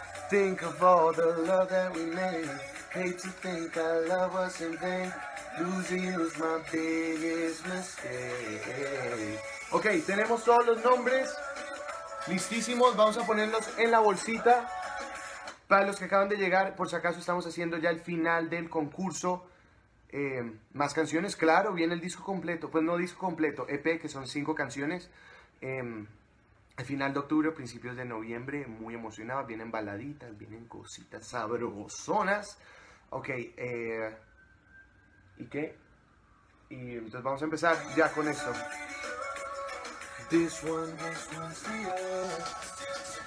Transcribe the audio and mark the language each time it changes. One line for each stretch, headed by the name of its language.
English: Think of all the love that we made. Hate to think our love was in vain. Losing you is my biggest mistake.
Spanish: Ok, tenemos todos los nombres listísimos. Vamos a ponerlos en la bolsita. Para los que acaban de llegar, por si acaso estamos haciendo ya el final del concurso. Más canciones, claro, viene el disco completo. Pues no disco completo, EP, que son 5 canciones. Al final de octubre, principios de noviembre, muy emocionado. Vienen baladitas, vienen cositas sabrosonas. Ok, ¿y qué? Y entonces vamos a empezar ya con esto.
English: This one, this one's the end.